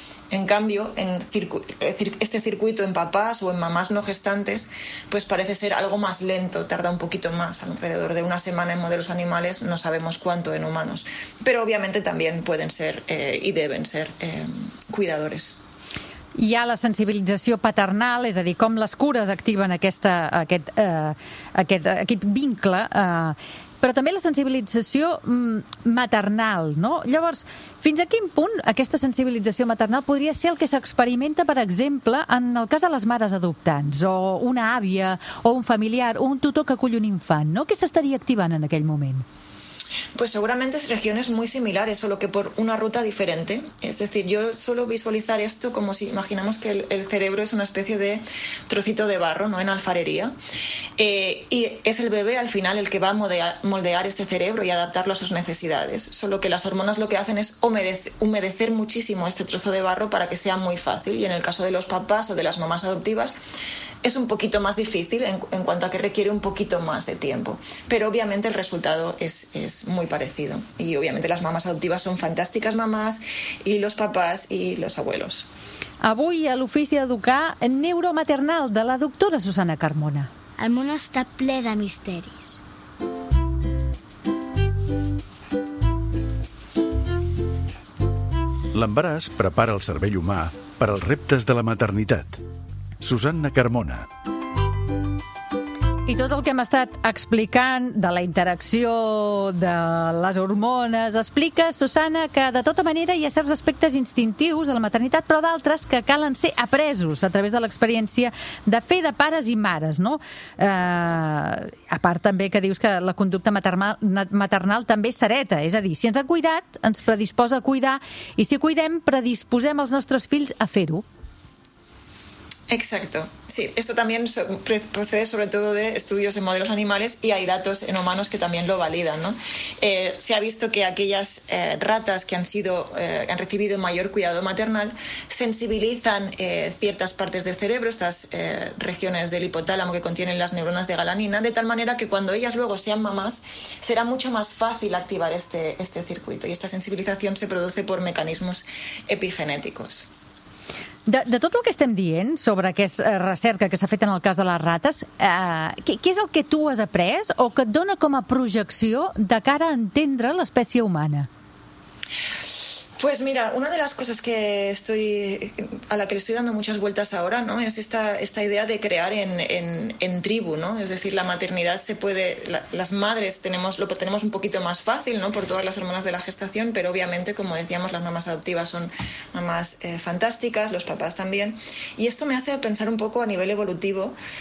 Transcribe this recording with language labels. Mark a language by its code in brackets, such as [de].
[es] En cambio, en este circuito en papás o en mamás no gestantes, pues parece ser algo más lento, tarda un poquito más, alrededor de una semana en modelos animales, no sabemos cuánto en humanos. Pero obviamente también pueden ser y deben ser cuidadores. [ca] Hi ha la sensibilització paternal, és a dir, com les cures activen aquest vincle, però també la sensibilització maternal, no? Llavors, fins a quin punt aquesta sensibilització maternal podria ser el que s'experimenta, per exemple, en el cas de les mares adoptants, o una àvia, o un familiar, o un tutor que acull un infant, no? Què s'estaria activant en aquell moment? [es] Pues seguramente regiones muy similares, solo que por una ruta diferente. Es decir, yo suelo visualizar esto como si imaginamos que el cerebro es una especie de trocito de barro, ¿no?, en alfarería, y es el bebé al final el que va a moldear este cerebro y adaptarlo a sus necesidades, solo que las hormonas lo que hacen es humedecer muchísimo este trozo de barro para que sea muy fácil, y en el caso de los papás o de las mamás adoptivas es un poquito más difícil en cuanto a que requiere un poquito más de tiempo. Pero obviamente el resultado es muy parecido. Y obviamente las mamás adoptivas son fantásticas mamás, y los papás y los abuelos. [ca] Avui a l'ofici d'educar neuromaternal de la doctora Susana Carmona. El món està ple de misteris. L'embaràs prepara el cervell humà per als reptes de la maternitat. Susanna Carmona. I tot el que hem estat explicant de la interacció de les hormones explica, Susanna, que de tota manera hi ha certs aspectes instintius a la maternitat, però d'altres que calen ser apresos a través de l'experiència de fer de pares i mares, no? A part també que dius que la conducta maternal també és sereta, és a dir, si ens ha cuidat, ens predisposa a cuidar, i si cuidem, predisposem els nostres fills a fer-ho. [es] Exacto. Sí, esto también procede sobre todo de estudios en modelos animales, y hay datos en humanos que también lo validan, ¿no? Se ha visto que aquellas ratas que han recibido mayor cuidado maternal sensibilizan ciertas partes del cerebro, estas regiones del hipotálamo que contienen las neuronas de galanina, de tal manera que cuando ellas luego sean mamás será mucho más fácil activar este circuito, y esta sensibilización se produce por mecanismos epigenéticos. [ca] De tot el que estem dient sobre aquesta recerca que s'ha fet en el cas de les rates, què és el que tu has après o que et dona com a projecció de cara a entendre l'espècie humana? [es] Pues mira, una de las cosas que estoy a la que le estoy dando muchas vueltas ahora, ¿no?, es esta idea de crear en tribu, ¿no? Es decir, la maternidad se puede, las madres tenemos un poquito más fácil, ¿no?, por todas las hormonas de la gestación, pero obviamente, como decíamos, las mamás adoptivas son mamás fantásticas, los papás también, y esto me hace pensar un poco a nivel evolutivo